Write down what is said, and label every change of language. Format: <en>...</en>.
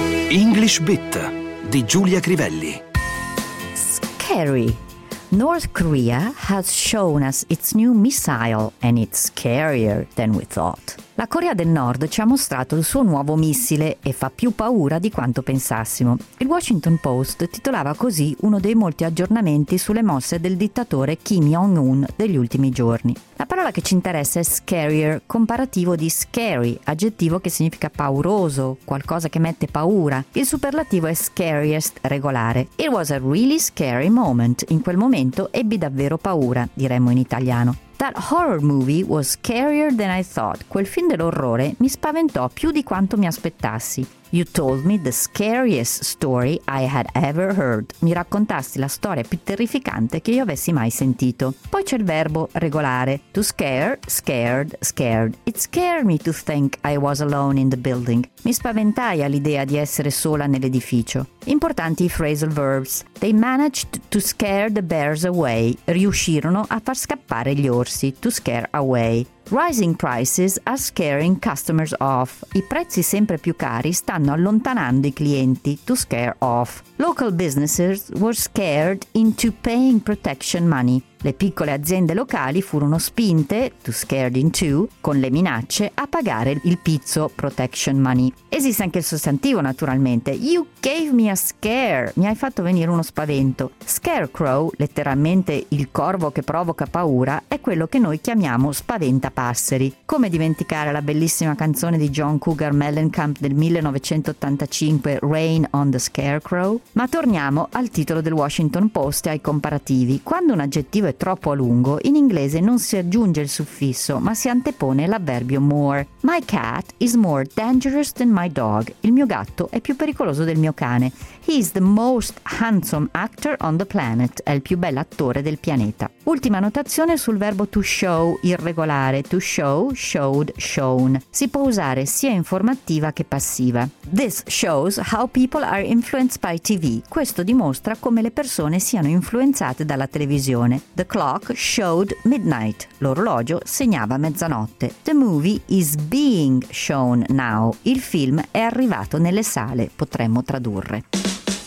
<it>English Bit di Giulia Crivelli.</it> <en>Scary. North Korea has shown us its new missile and it's scarier than we thought.</en> <it>La Corea del Nord ci ha mostrato il suo nuovo missile e fa più paura di quanto pensassimo. Il Washington Post titolava così uno dei molti aggiornamenti sulle mosse del dittatore Kim Jong-un degli ultimi giorni. La parola che ci interessa è scarier, comparativo di scary, aggettivo che significa pauroso, qualcosa che mette paura. Il superlativo è scariest regolare.</it> <en>It was a really scary moment.</en> <it>In quel momento ebbi davvero paura, diremmo in italiano.</it> <en>That horror movie was scarier than I thought.</en> <it>Quel film dell'orrore mi spaventò più di quanto mi aspettassi.</it> <en>You told me the scariest story I had ever heard.</en> <it>Mi raccontasti la storia più terrificante che io avessi mai sentito. Poi c'è il verbo regolare.</it> <en>To scare, scared, scared. It scared me to think I was alone in the building.</en> <it>Mi spaventai all'idea di essere sola nell'edificio. Importanti i phrasal verbs.</it> <en>They managed to scare the bears away.</en> <it>Riuscirono a far scappare gli orsi.</it> <en>To scare away. Rising prices are scaring customers off.</en> <it>I prezzi sempre più cari stanno allontanando i clienti.</it> <en>To scare off. Local businesses were scared into paying protection money.</en> <it>Le piccole aziende locali furono spinte,</it> <en>to scared into,</en> <it>con le minacce, a pagare il pizzo protection money. Esiste anche il sostantivo, naturalmente.</it> <en>You gave me a scare.</en> <it>Mi hai fatto venire uno spavento. Scarecrow, letteralmente il corvo che provoca paura, è quello che noi chiamiamo spaventapasseri. Come dimenticare la bellissima canzone di John Cougar Mellencamp del 1985, Rain on the Scarecrow? Ma torniamo al titolo del Washington Post e ai comparativi. Quando un aggettivo è troppo a lungo, in inglese non si aggiunge il suffisso, ma si antepone l'avverbio more.</it> <en>My cat is more dangerous than my dog.</en> <it>Il mio gatto è più pericoloso del mio cane.</it> <en>He is the most handsome actor on the planet.</en> <it>È il più bel attore del pianeta. Ultima notazione sul verbo to show, irregolare.</it> <en>To show, showed, shown.</en> <it>Si può usare sia informativa che passiva.</it> <en>This shows how people are influenced by TV.</en> <it>Questo dimostra come le persone siano influenzate dalla televisione.</it> <en>The clock showed midnight.</en> <it>L'orologio segnava mezzanotte.</it> <en>The movie is being shown now.</en> <it>Il film è arrivato nelle sale, potremmo tradurre.</it>